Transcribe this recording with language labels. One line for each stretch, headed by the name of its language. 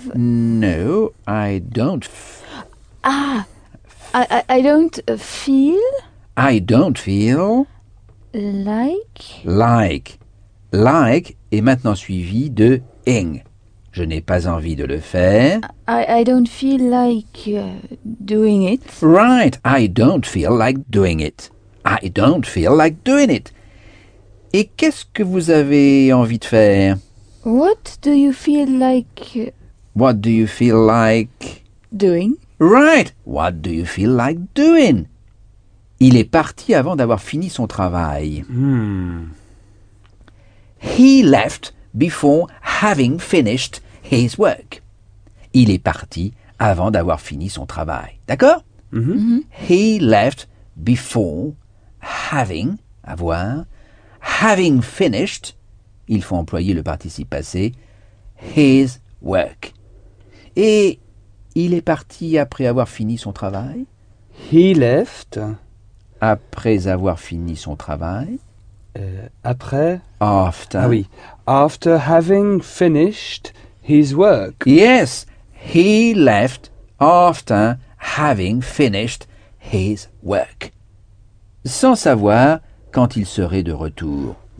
English: No, I don't... I don't feel... I don't feel... Like... Like.
French: Like est maintenant suivi de ing. Je n'ai pas envie de le faire.
English: I don't feel like doing it. Right, I don't feel like doing it. I don't feel like doing it.
French: Et qu'est-ce que vous avez envie de faire?
English: What do you feel like... What do you feel like... Doing. Right. What do you feel like doing?
French: Il est parti avant d'avoir fini son travail.
English: He left before having finished his work.
French: Il est parti avant d'avoir fini son travail. D'accord?
English: He left before having... Avoir... Having finished...
French: Il faut employer le participe passé.
English: His work.
French: Et il est parti après avoir fini son travail.
English: He left.
French: Après avoir fini son travail. Après.
English: After.
French: Ah oui.
English: After having finished his work. Yes. He left after having finished his work.
French: Sans savoir quand il serait de retour.